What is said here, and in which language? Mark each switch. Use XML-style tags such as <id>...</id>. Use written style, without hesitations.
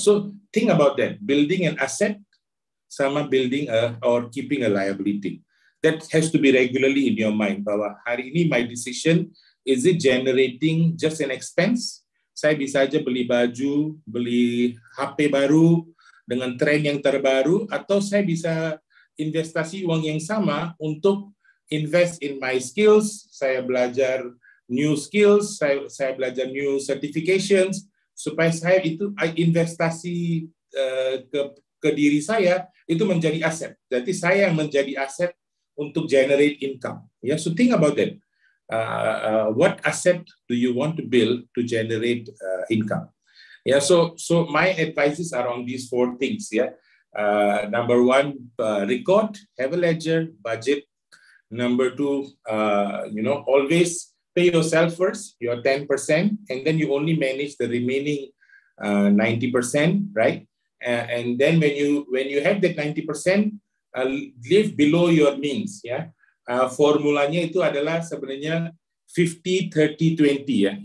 <en>So think about that, building an asset sama building or keeping a liability. That has to be regularly in your mind,</en> <id>bahwa hari ini</id> <en>my decision, is it generating just an expense?</en> <id>Saya bisa aja beli baju, beli HP baru dengan tren yang terbaru, atau saya bisa investasi uang yang sama untuk</id> <en>invest in my skills,</en> <id>saya belajar</id> <en>new skills,</en> <id>saya belajar</id> <en>new certifications,</en> <id>supaya saya itu investasi ke diri saya itu menjadi aset. Jadi saya yang menjadi aset untuk generate income.</id> <en>Yeah, so think about that. What asset do you want to build to generate income? Yeah, so my advices are on these four things. Yeah, number one, record, have a ledger, budget. Number two, you know, always pay yourself first, your 10%, and then you only manage the remaining 90%, right? And then when you have that 90%, live below your means, yeah.</en> <id>Formulanya itu adalah sebenarnya 50-30-20, ya. Yeah?</id>